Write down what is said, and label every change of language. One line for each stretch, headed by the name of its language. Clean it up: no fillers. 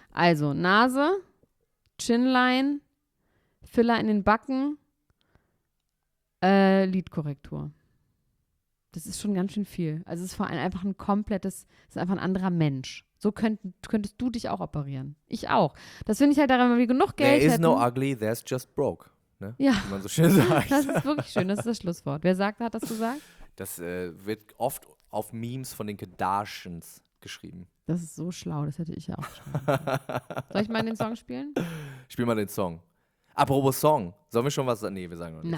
German: Also, Nase, Chinline, Filler in den Backen, Lidkorrektur. Das ist schon ganz schön viel. Also, es ist vor allem einfach ein komplettes, es ist einfach ein anderer Mensch. So könntest du dich auch operieren. Ich auch. Das finde ich halt daran, wenn wir genug Geld hätten.
English: There is no ugly, there's just broke. Ne?
German: Ja. Wie man so schön sagt. Das ist wirklich schön, das ist das Schlusswort. Wer sagt, hat das gesagt? Das wird oft auf Memes von den Kardashians geschrieben. Das ist so schlau, das hätte ich ja auch schon. Soll ich mal den Song spielen? Spiel mal den Song. Apropos Song, sollen wir schon was sagen? Nee, wir sagen noch nichts.